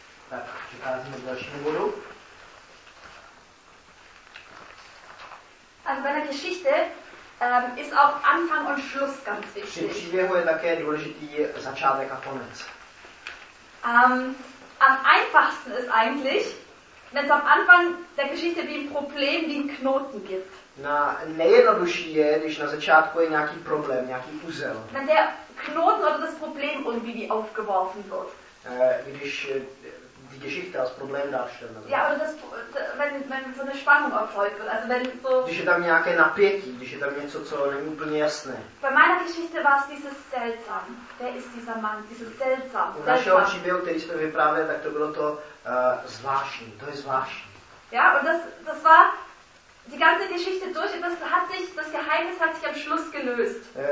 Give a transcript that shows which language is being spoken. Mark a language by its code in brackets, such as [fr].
[cs] Tak, přicházíme k dalšímu bodu. [de] Also bei der Geschichte ist auch Anfang und Schluss ganz wichtig. [cs] Při příběhu je také důležitý začátek a konec. [de] Am einfachsten ist eigentlich, wenn es am Anfang der Geschichte wie ein Problem, wie ein Knoten gibt. [cs] Na nejjednodušší je, když na začátku je nějaký problém, nějaký uzel. [de] Wenn der Knoten oder das Problem irgendwie wie aufgeworfen wird. [cs] Když [de] die Geschichte als Problem darstellen. Also. Ja, oder wenn so eine Spannung erzeugt wird, also wenn so. [cs] Když je tam nějaké napětí, když je tam něco, co není úplně jasné. [de] Bei meiner Geschichte war es dieses seltsam. Wer ist dieser Mann? Dieses seltsam. [cs] U našeho příběhu, který jsme vyprávěli, tak to bylo to zvláštní. To je zvláštní. [de] Ja, und das war die ganze Geschichte durch. Das Geheimnis hat sich am Schluss gelöst.